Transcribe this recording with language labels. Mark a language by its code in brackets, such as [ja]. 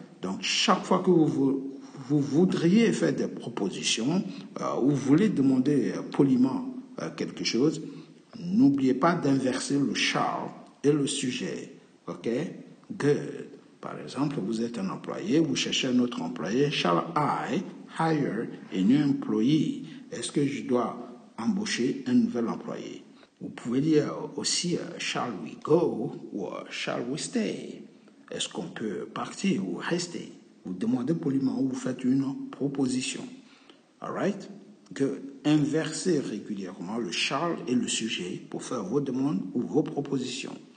[fr] Donc, chaque fois que vous voudriez faire des propositions ou vous voulez demander poliment quelque chose, n'oubliez pas d'inverser le shall et le sujet. OK? Good. Par exemple, vous êtes un employé, vous cherchez un autre employé. [en] Shall I hire a new employee? [fr] Est-ce que je dois embaucher un nouvel employé? Vous pouvez dire aussi, [en] shall we go [fr] ou [en] shall we stay? [fr] Est-ce qu'on peut partir ou rester? Vous demandez poliment ou vous faites une proposition. [en] All right? [fr] Que inverser régulièrement le shall et le sujet pour faire vos demandes ou vos propositions.